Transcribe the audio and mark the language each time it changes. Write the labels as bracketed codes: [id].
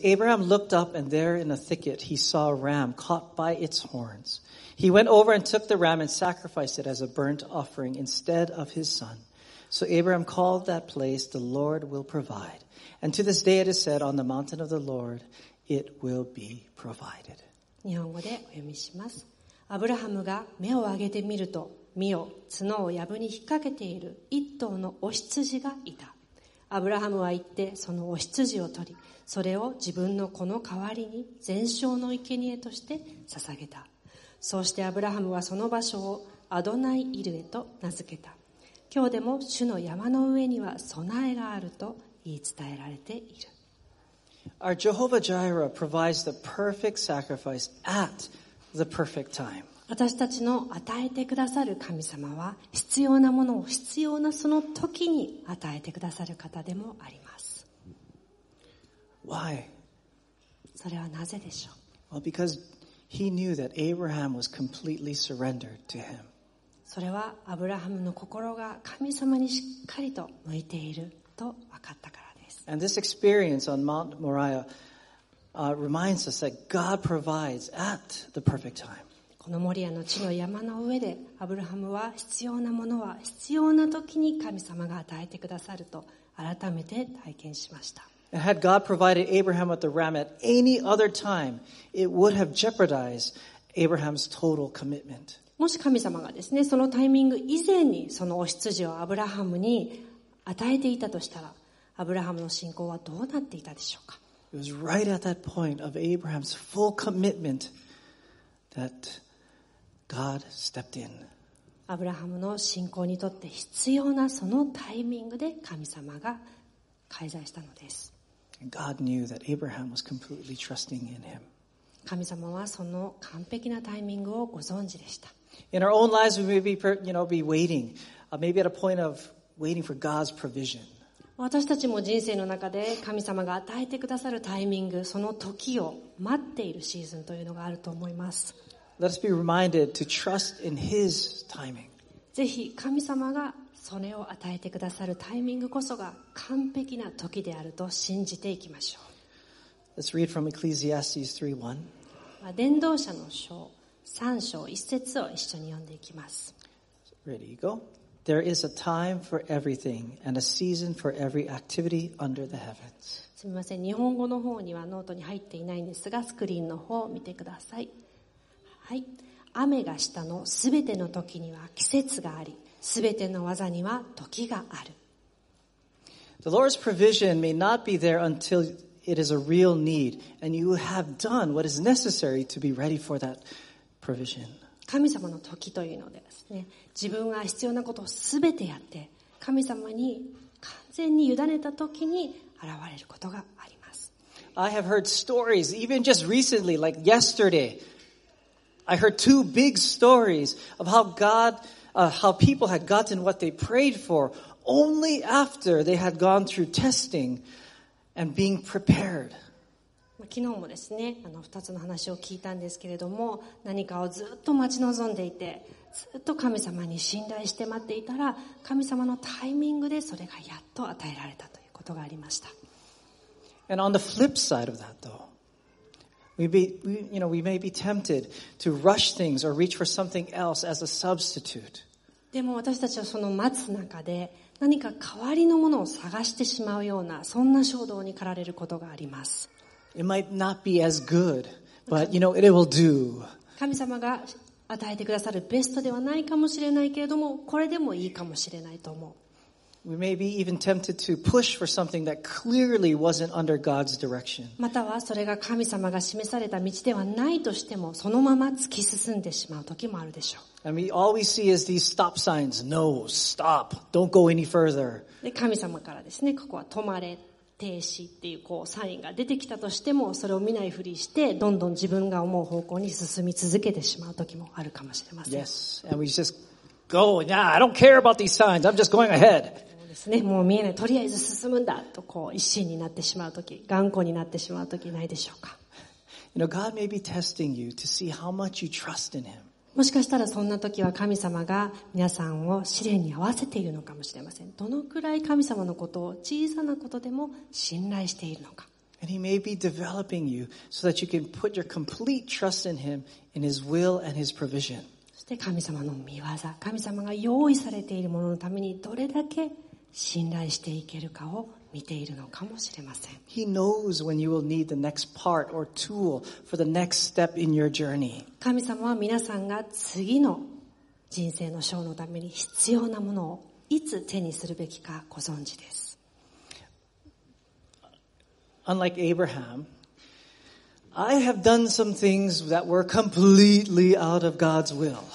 [en] Abraham looked up and there in a thicket he saw a ram caught by its horns. He went over and took the ram and sacrificed it as a burnt offering instead of his son. So Abraham called that place, the Lord will provide. And to this day it is said, on the mountain of the Lord, it will be provided. [ja] 日本語でお読みします。アブラハムが目を上げてみると、見よ、角を藪に引っ掛けている一頭のお羊がいた。アブラハムは行ってそのお羊を取り、それを自分の子の代わりに全焼の生贄として捧げた。そうしてアブラハムはその場所をアドナイイルエと名付けた。今日でも主の山の上には備えがあると言い伝えられている。 [en] Our Jehovah Jireh provides the perfect sacrifice at the perfect time. [ja] 私たちの与えてくださる神様は必要なものを必要なその時に与えてくださる方でもあります。 [en] Why? [ja] それはなぜでしょう。 [en] Well, because he knew that Abraham was completely surrendered to him. [ja] それはアブラハムの心が神様にしっかりと向いていると分かったからです。 [en] And this experience on Mount Moriah, reminds us that God provides at the perfect time. [ja] このモリアの地の山の上でアブラハムは必要なものは必要な時に神様が与えてくださると改めて体験しました。 [en] And had God provided Abraham with the ram at any other time, it would have jeopardized Abraham's total commitment. [ja] もし神様がですね、そのタイミング以前にそのお羊をアブラハムに与えていたとしたら、アブラハムの信仰はどうなっていたでしょうか。 [en] It was right at that point of Abraham's full commitment that God stepped in. [ja] アブラハムの信仰にとって必要なそのタイミングで神様が介在したのです。 [en] God knew that Abraham was completely trusting in him. [ja] 神様はその完璧なタイミングをご存知でした。 [en] In our own lives, we may be, you know, be waiting, maybe at a point of waiting for God's provision. [ja] 私たちも人生の中で神様が与えてくださるタイミング、その時を待っているシーズンというのがあると思います。 [en] Let us be reminded to trust in His timing. [ja] ぜひ神様がそれを与えてくださるタイミングこそが完璧な時であると信じていきましょう。 [en] Let's read from Ecclesiastes 3:1. [ja] 伝道者の書。 3章1節を一緒に読んでいきます。 [en] Ready, go. There is a time for everything and a season for every activity under the heavens. [ja] すみません、日本語の方にはノートに入っていないんですが、スクリーンの方を見てください。はい。雨が下のすべての時には季節があり、すべての技には時がある。 [en] The Lord's provision may not be there until it is a real need and you have done what is necessary to be ready for that. [ja] 神様の時というのでですね、自分が必要なことをすべてやって神様に完全に委ねた時に現れることがあります。 [en] I have heard stories even just recently, like yesterday, I heard two big stories of how God, how people had gotten what they prayed for only after they had gone through testing and being prepared. [ja] 昨日もですね、2つの話を聞いたんですけれども、何かをずっと待ち望んでいて、ずっと神様に信頼して待っていたら、神様のタイミングでそれがやっと与えられたということがありました。 [en] And on the flip side of that though, we may be tempted to rush things or reach for something else as a substitute. [ja] でも私たちはその待つ中で何か代わりのものを探してしまうような、そんな衝動に駆られることがあります。 [en] It might not be as good, but you know, it will do. [ja] 神様が与えてくださるベストではないかもしれないけれども、これでもいいかもしれないと思う。 [en] We may be even tempted to push for something that clearly wasn't under God's direction. [ja] またはそれが神様が示された道ではないとしても、そのまま突き進んでしまう時もあるでしょう。 [en] And we always see is these stop signs. No, stop. Don't go any further. [ja] で、神様からですね、ここは止まれ、停止っていうこうサインが出てきたとしても、それを見ないふりして、どんどん自分が思う方向に進み続けてしまう時もあるかもしれません。 [en] Yes, and we just go. Nah, I don't care about these signs. I'm just going ahead. [ja] ですね、もう見えない。とりあえず進むんだとこう一心になってしまうとき、頑固になってしまうときないでしょうか。 [en] You know, God may be testing you to see how much you trust in Him. [ja] もしかしたらそんなときは神様が皆さんを試練に合わせているのかもしれません。どのくらい神様のことを小さなことでも信頼しているのか。 [en] And He may be developing you so that you can put your complete trust in Him, in His will and His provision. [ja] そして神様の御業、神様が用意されているもののためにどれだけ信頼していけるかを見ているのかもしれません。 [en] He knows when you will need the next part or tool for the next step in your journey. [ja] 神様は皆さんが次の人生の章のために必要なものをいつ手にするべきかご存知です。 [en] Unlike Abraham, I have done some things that were completely out of God's will.